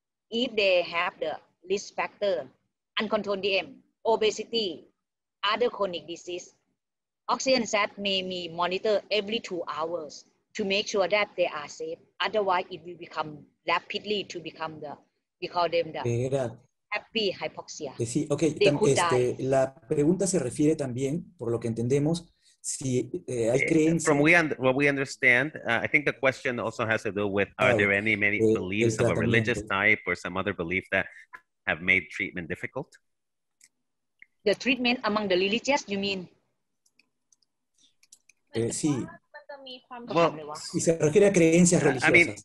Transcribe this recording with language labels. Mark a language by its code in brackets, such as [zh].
[en] If they have the risk factor, uncontrolled DM, obesity, other chronic disease, oxygen set may be monitored every 2 hours to make sure that they are safe. Otherwise, it will become rapidly to become the, we call them the happy hypoxia. [es] Sí, okay. La pregunta se refiere también, por lo que entendemos, si hay creencia. [en] From what we understand, I think the question also has to do with are there many beliefs of a religious type or some other belief that have made treatment difficult? The treatment among the religious, you mean? [es] Sí. Well, si se refiere a creencias religiosas.